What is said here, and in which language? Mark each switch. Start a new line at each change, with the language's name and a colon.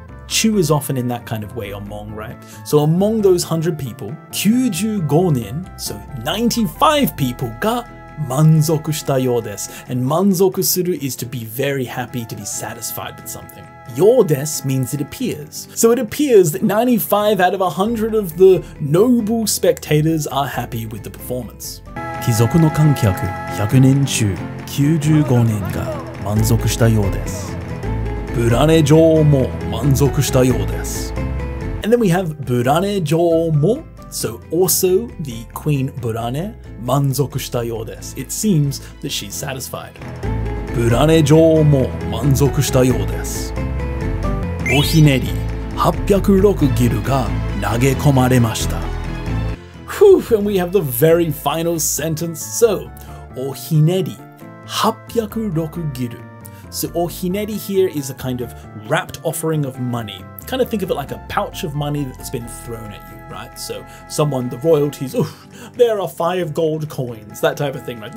English: Chu is often in that kind of way, among, right? So among those 100 people, 95 nin, so 95 people,
Japanese: ga manzoku shita yō desu.
English: And manzoku suru is to be very happy, to be satisfied with something. Your desu means it appears. So it appears that 95 out of 100 of the noble spectators are happy with the performance.
Japanese: 貴族の観客100人中95人が満足したようです。ブラネ城も満足したようです。
English: And then we have ブラネ城も。So also the Queen
Japanese: ブラネ満足したようです。
English: It seems that she's satisfied.
Japanese: ブラネ城も満足したようです。おひねり806ギルが投げ込まれました。
English: Whew, and we have the very final sentence. So,
Japanese: おひねり806ギル。
English: So, おひねり here is a kind of wrapped offering of money. Kind of think of it like a pouch of money that's been thrown at you, right? So, someone, the royalties, there are 5 gold coins, that type of thing, right?